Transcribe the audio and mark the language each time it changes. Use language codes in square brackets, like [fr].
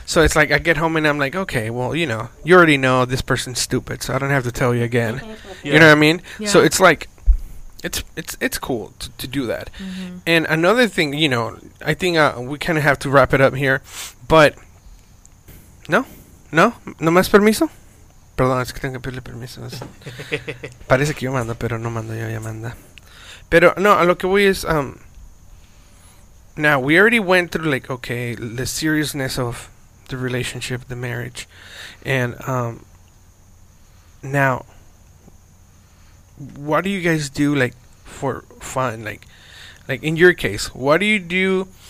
[en] So it's like I get home and I'm like, okay, well, you know, you already know this person's stupid, so I don't have to tell you again. Yeah. You know what I mean? Yeah. So it's like, It's cool to do that. Mm-hmm. And another thing, you know, I think we kind of have to wrap it up here. But, no? [es] ¿No más permiso? Perdón, es que tengo que pedirle permiso. Parece que yo mando, pero no mando yo, ya manda. Pero, no, lo que voy es, [en] now, we already went through, like, okay, the seriousness of the relationship, the marriage. And, now, what do you guys do like for fun, like in your case, what do you do?